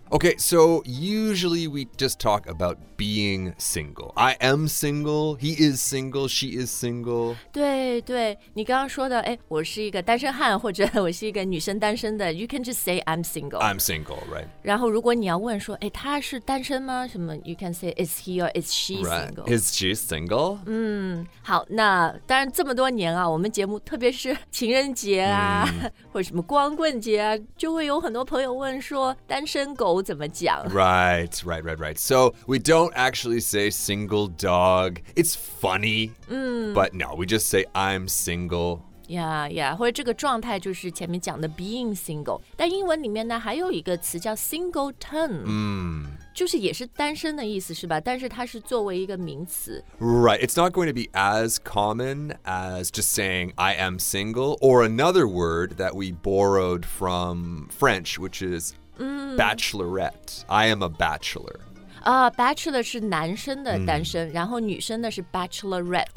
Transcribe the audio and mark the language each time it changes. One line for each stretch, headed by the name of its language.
English: Okay, so usually we just talk about being single. I am single, he is single, she is single.
Chinese: 对对，你刚刚说的，哎，我是一个单身汉，或者我是一个女生单身的。
English: You can just say I'm single. I'm single, right?
Chinese: 然后如果你要问说，哎，他是单身吗？
English: 什么 ？You can say is he or is she single? Right. Is she single?
Chinese: 好，那当然这么多年啊，我们节目特别是情人节啊，或者什么光棍节啊，就会有很多朋友问说单身狗。
English: Right. So we don't actually say single dog. It's funny, but no, we just say I'm single.
Chinese: Yeah, yeah. 或者这个状态就是前面讲的 being single. 但英文里面呢，还有一个词叫 singleton. 就是也是单身的意思是吧？但是它是作为一个名词。
English: Right. It's not going to be as common as just saying I am single or another word that we borrowed from French, which is. Bachelorette. I am a bachelor.
Chinese: Bachelor 是男生的单身，然后女生的是 bachelorette.